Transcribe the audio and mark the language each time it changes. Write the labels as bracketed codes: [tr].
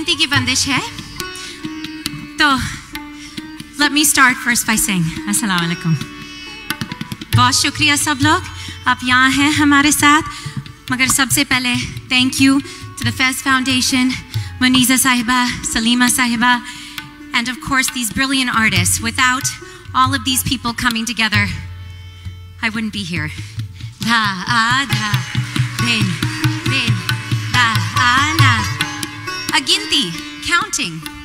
[en] So, let me start first by saying assalamu alaikum. [ur] بہت شکریہ سب لوگ، آپ یہاں ہیں ہمارے ساتھ۔ مگر سب سے پہلے، [en] thank you to the Faiz Foundation, Moniza صاحبہ، Salima صاحبہ، and of course these brilliant artists. Without all of these people coming together, I wouldn't be here. Da, a, da, bin, bin, da, a, na. A ginti. Counting.